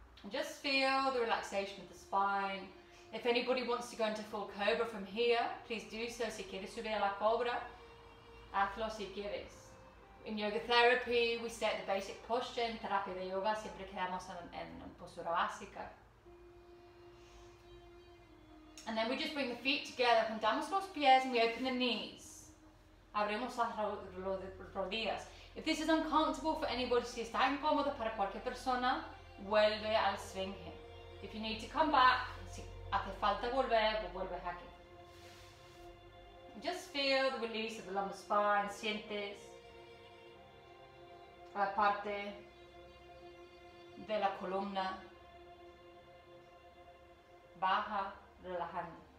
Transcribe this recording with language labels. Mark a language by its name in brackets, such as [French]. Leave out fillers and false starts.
[English] Just feel the relaxation of the spine. If anybody wants to go into full cobra from here, please do so. [Spanish] Si quieres subir a la cobra, hazlo si quieres. [English] In yoga therapy, we set the basic posture. [Spanish] In terapia de yoga, siempre quedamos en postura básica. [English] And then we just bring the feet together. [Spanish] Juntamos los pies [English] and we open the knees. [Spanish] Abrimos las rodillas. [English] If this is uncomfortable for anybody, [Spanish] si está incómodo para cualquier persona, vuelve al [English] swing here. If you need to come back, [Spanish] si hace falta volver, vuelve aquí. [English] Just feel the release of the lumbar spine. [Spanish] Sientes la parte de la columna baja, relajando.